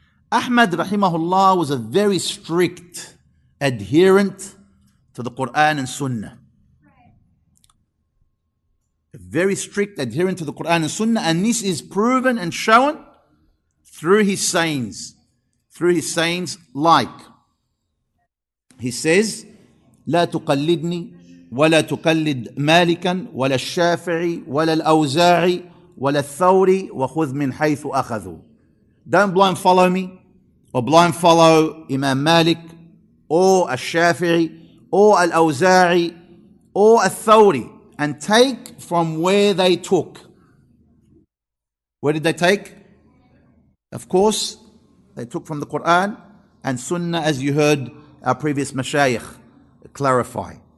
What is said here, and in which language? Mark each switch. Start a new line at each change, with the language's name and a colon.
English: Ahmad, rahimahullah, was a very strict adherent to the Qur'an and Sunnah. And this is proven and shown through his sayings. Through his sayings, like, he says,
Arabic: لا تقلدني ولا تقلد مالكا ولا الشافعي ولا الأوزاعي ولا الثوري وخذ من حيث أخذوا.
English: Don't blind follow me, or blind follow Imam Malik, or الشافعي, or الأوزاعي, or الثوري, and take from where they took. Where did they take? Of course, they took from the Quran and Sunnah, as you heard our previous mashayikh clarify.